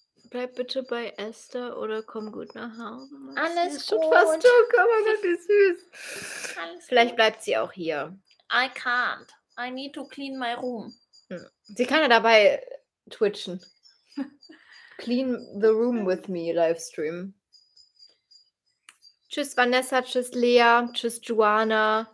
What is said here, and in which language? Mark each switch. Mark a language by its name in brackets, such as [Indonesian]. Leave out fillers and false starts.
[German] Bleib bitte bei Esther oder komm gut nach Hause. Maxi. Alles ist gut. Fast doch, aber das ist süß. Alles vielleicht gut. Bleibt sie auch hier. [English] I can't. I need to clean my room. [German] Sie kann ja dabei twitchen. [English] Clean the room with me, Livestream. [German] Tschüss Vanessa, tschüss Lea, tschüss Joanna.